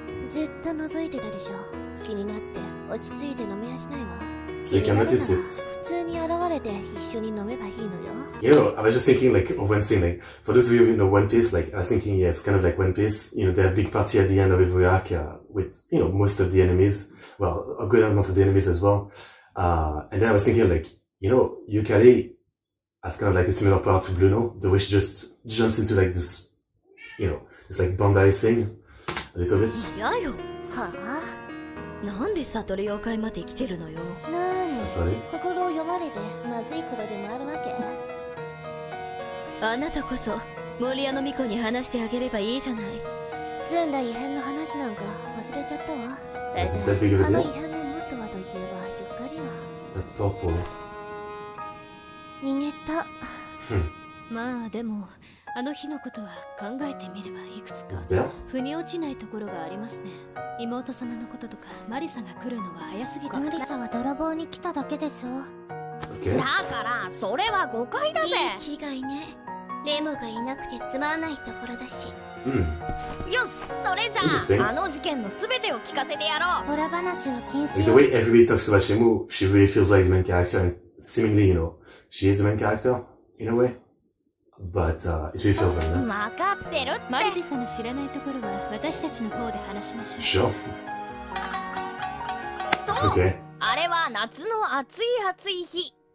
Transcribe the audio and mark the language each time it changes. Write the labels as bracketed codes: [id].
[ja] ずっと覗いてたでしょ。気になって落ち着いて飲みやしないわ。 [en] So you can notice it. [ja] 普通に現れて一緒に飲めばいいのよ。 [en] You know, I was just thinking like of one scene, like for those of you who know One Piece, like I was thinking, yeah, it's kind of like One Piece. You know, they have a big party at the end of every arc, with you know most of the enemies, well, a good amount of the enemies as well. And then I was thinking like, you know, Yukari has kind of like a similar power to Bruno, the way she just jumps into like this, you know, it's like Bandai thing. [ja] いやよ、はあ、なんで悟り妖怪まで来てるのよ。なに、心を読まれてまずいことでもあるわけ。あなたこそ森屋の巫女に話してあげればいいじゃない。住んだ異変の話なんか忘れちゃったわ。だってあの異変の元はといえばゆっかりは逃げた。まあでもあの日のことは考えてみればいくつか腑に落ちないところがありますね。妹様のこととかマリサが来るのが早すぎて。マリサは泥棒に来ただけでしょ。だからそれは誤解だぜ。いい気概ね。レモがいなくてつまんないところだし。うん。よし、それじゃあ、あの事件のすべてを聞かせてやろう。裏話は禁止。 [en] The way everybody talks about Shimu, she really feels like the main character, and seemingly, you know, she is the main character in a way. But, it really feels like that. [ja] 分かってるって。マリサの知らないところは私たちの方で話しましょう。そう。あれは夏の暑い暑い日。